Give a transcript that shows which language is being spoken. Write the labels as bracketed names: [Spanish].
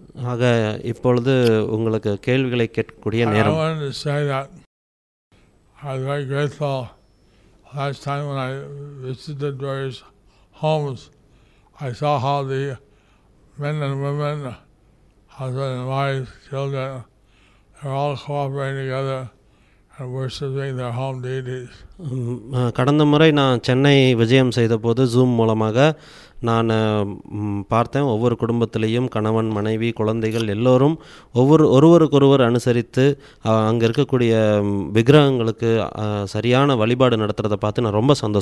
[Tamil] ஆக இப்பொழுது உங்களுக்கு கேள்விகளை கேட்கக்கூடிய நேரம். [English] I want to say that I was very grateful last time when I visited various homes. I saw how the men and women, husband and wife, children, they're all cooperating together and worshiping their home deities. [Tamil] கடந்த முறை நான் சென்னை விஜயம் செய்தபோது zoom மூலமாக நான் பார்த்தேன், ஒவ்வொரு குடும்பத்திலையும் கணவன், மனைவி, குழந்தைகள் எல்லோரும் ஒருவருக்கொருவர் அனுசரித்து அங்கே இருக்கக்கூடிய விக்கிரகங்களுக்கு சரியான வழிபாடு நடத்துகிறதை பார்த்து நான் ரொம்ப